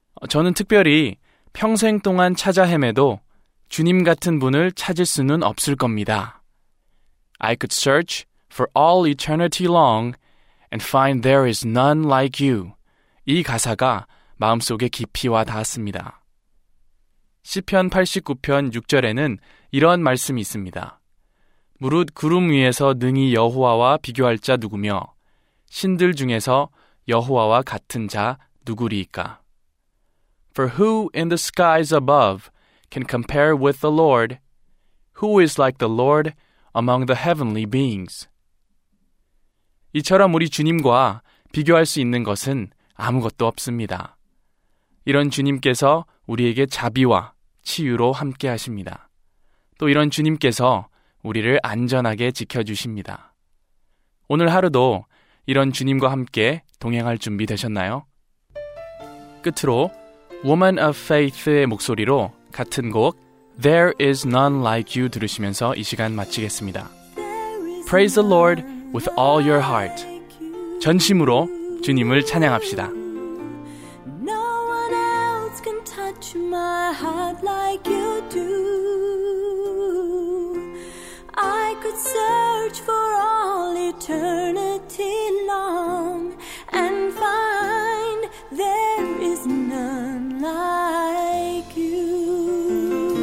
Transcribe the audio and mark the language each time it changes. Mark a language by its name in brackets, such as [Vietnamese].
[Korean] 저는 특별히 평생 동안 찾아 헤매도 주님 같은 분을 찾을 수는 없을 겁니다. [English] I could search for all eternity long and find there is none like you. [Korean] 이 가사가 마음속에 깊이 와 닿았습니다. 시편 89편 6절에는 이런 말씀이 있습니다. 무릇 구름 위에서 능히 여호와와 비교할 자 누구며 신들 중에서 여호와와 같은 자 누구리이까? [English] For who in the skies above can compare with the Lord? Who is like the Lord among the heavenly beings? [Korean] 이처럼 우리 주님과 비교할 수 있는 것은 아무것도 없습니다. 이런 주님께서 우리에게 자비와 치유로 함께 하십니다. 또 이런 주님께서 우리를 안전하게 지켜주십니다. 오늘 하루도 이런 주님과 함께 동행할 준비 되셨나요? 끝으로 Woman of Faith의 목소리로 같은 곡 There is none like you 들으시면서 이 시간 마치겠습니다. [English] Praise the Lord with all your heart. [Korean] 전심으로 주님을 찬양합시다. [English] No one else can touch my heart like you do. I could search for all eternity long and find there is none like you.